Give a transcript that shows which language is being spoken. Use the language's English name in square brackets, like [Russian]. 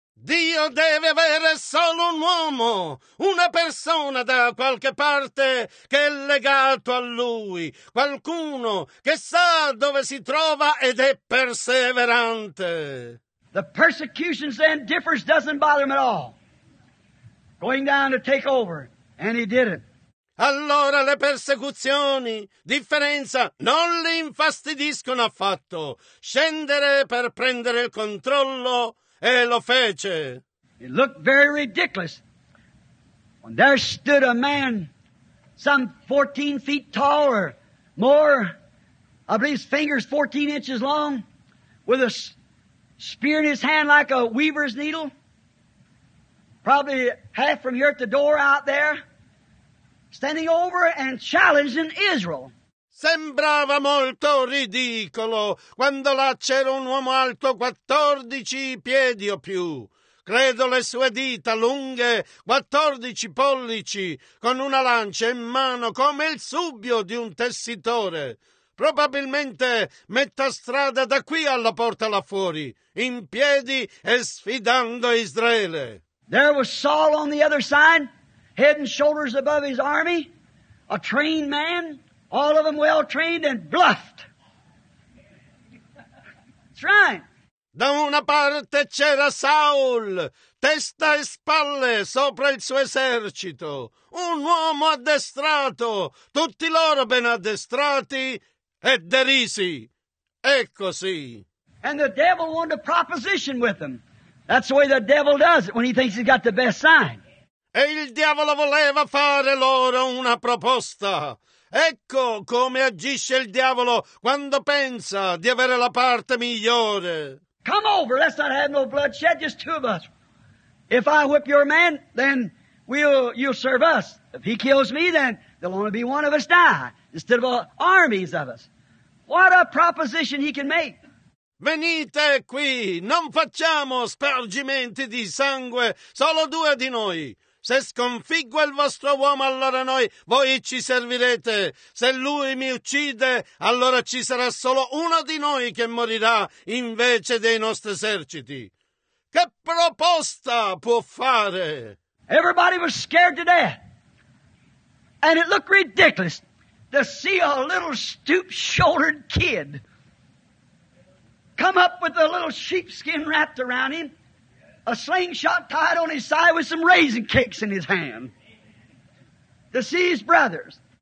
[Italian] Dio deve avere solo un uomo, una persona da qualche parte che è legato a lui, qualcuno che sa dove si trova ed è perseverante. [English] The persecution then differs, doesn't bother him at all. Going down to take over, and he did it. [Italian] Allora le persecuzioni, differenza, non li infastidiscono affatto. Scendere per prendere il controllo, e lo fece. [English] It looked very ridiculous. When there stood a man, some 14 feet tall or more, I believe his fingers 14 inches long, with a spear in his hand like a weaver's needle, probably half from here at the door out there, standing over and challenging Israel. [Italian] Sembrava molto ridicolo quando là c'era un uomo alto 14 piedi o più. Credo le sue dita lunghe 14 pollici, con una lancia in mano come il subbio di un tessitore. Probabilmente metta strada da qui alla porta là fuori, in piedi e sfidando Israele. [English] There was Saul on the other side, head and shoulders above his army, a trained man, all of them well trained and bluffed. That's right. [Italian] Da una parte c'era Saul, testa e spalle sopra il suo esercito, un uomo addestrato, tutti loro ben addestrati e derisi. E così. [English] And the devil wanted a proposition with them. That's the way the devil does it when he thinks he's got the best sign. [Italian] E il diavolo voleva fare loro una proposta. Ecco come agisce il diavolo quando pensa di avere la parte migliore. [English] Come over, let's not have no bloodshed, just two of us. If I whip your man, then you'll serve us. If he kills me, then there'll only be one of us die, instead of armies of us. What a proposition he can make. [Italian] Venite qui, non facciamo spargimenti di sangue, solo due di noi. Se sconfiggo il vostro uomo, allora voi ci servirete. Se lui mi uccide, allora ci sarà solo uno di noi che morirà invece dei nostri eserciti. Che proposta può fare? [English] Everybody was scared to death. And it looked ridiculous to see a little stoop-shouldered kid come up with a little sheepskin wrapped around him, a slingshot tied on his side with some raisin cakes in his hand, to see his brothers.